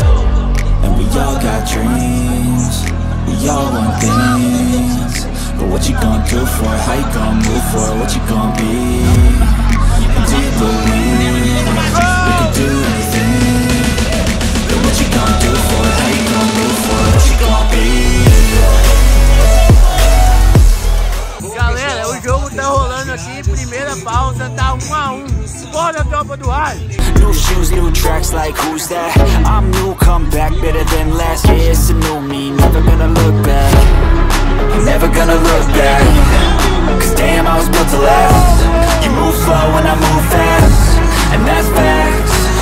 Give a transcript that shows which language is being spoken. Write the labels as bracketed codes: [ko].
[en] And we all got dreams. Y'all want things, but what you gonna do for it? How you gonna move for it? What you gonna be? And do you believe we can do anything? But what you gonna do for it? How you gonna move for it? What you gonna be? [pt] Galera, o jogo tá rolando aqui, primeira pausa, tá 1x1. Bora, tropa do Raio! [en] New shoes, new tracks, like who's that? I'm new, come back, better than last. Yeah, it's a new me, never gonna look back. Never gonna look back. Cause damn, I was built to last. You move slow and I move fast. And that's facts.